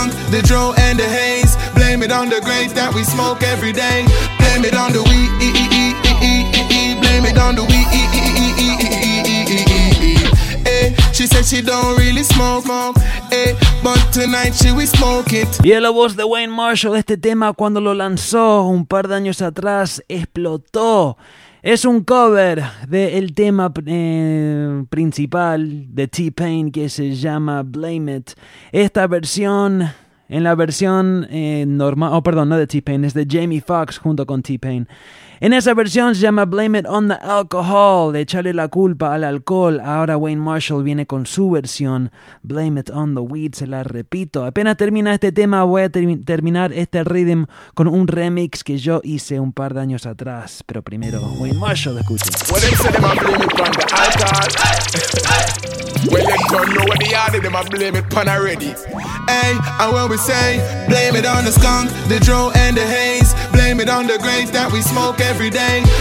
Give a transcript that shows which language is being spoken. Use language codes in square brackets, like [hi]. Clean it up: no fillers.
[en] The draw and the haze, blame it on the grapes that we smoke every day. Blame it on the weed, blame it on the weed. She said she don't really smoke, eh, but tonight she will smoke it. [es] Y la voz de Wayne Marshall, este tema cuando lo lanzó un par de años atrás explotó. Es un cover del tema principal de T-Pain que se llama Blame It. Esta versión, en la versión normal, no de T-Pain, es de Jamie Foxx junto con T-Pain. En esa versión se llama Blame It on the Alcohol, de echarle la culpa al alcohol. Ahora Wayne Marshall viene con su versión, Blame It on the Weed, se la repito. Apenas termina este tema, voy a terminar este rhythm con un remix que yo hice un par de años atrás. Pero primero, Wayne Marshall, escuchen. [en] Well, they say they might blame it on the alcohol. Well, they don't know where they are, they might blame it on already. Hey, and what we say, blame it on the skunk, the draw and the haze. Blame it on the grapes that we smoke every day.